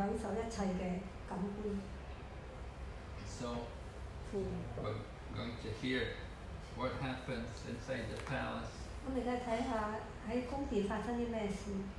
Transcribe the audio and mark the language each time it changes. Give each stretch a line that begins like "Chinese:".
Chinese: 因為就是惡魔的本性，他們喜歡享受一切的感官。
English: So, we're going to hear what happens inside the palace.
Chinese: 我們再看看在宮殿發生什麼事。